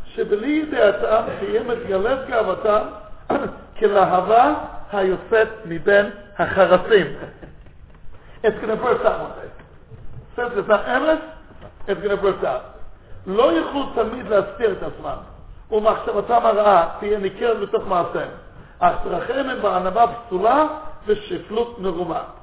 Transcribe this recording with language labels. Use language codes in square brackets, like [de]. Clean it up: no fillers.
[he] שבלי דעתם קיים את גלב כאבתם כלהבה היוצאת מבין החרסים. [en] It's going to burst out. Since it's not endless, it's going to burst out. [he] לא יוכלו תמיד להסתיר את עצמם, ומחשבתם הרעה תהיה ניכרת בתוך מעשיהם. אך דרכיהם הם בענווה פסולה ושפלות מרובה.